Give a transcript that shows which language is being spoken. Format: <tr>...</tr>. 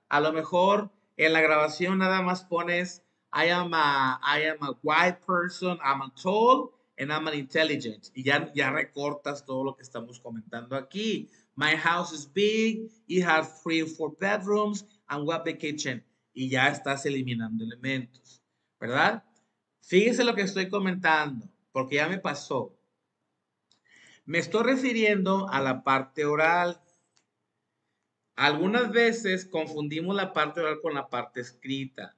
<es>A lo mejor en la grabación nada más pones,</es> <en>I am a white person, I'm a tall, and I'm an intelligent.</en> <es>Y ya recortas todo lo que estamos comentando aquí.</es> <en>My house is big, it has three or four bedrooms, and what the kitchen.</en> <es>Y ya estás eliminando elementos, ¿verdad? Fíjese lo que estoy comentando, porque ya me pasó. Me estoy refiriendo a la parte oral. Algunas veces confundimos la parte oral con la parte escrita.</es>